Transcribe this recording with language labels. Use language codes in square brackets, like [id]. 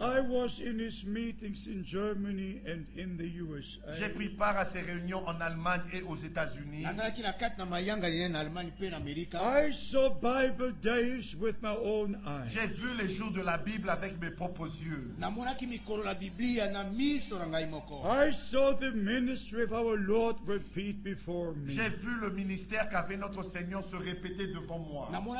[en] I was in his meetings in Germany and in the USA. [fr] J'ai pris part à ses réunions en Allemagne et aux États-Unis. [en] I saw Bible days with my own eyes. [fr] J'ai vu les jours de la Bible avec mes propres yeux. [en] I saw the ministry of our Lord repeat before me. [fr] J'ai vu le ministère qu'avait notre Seigneur se répéter devant moi.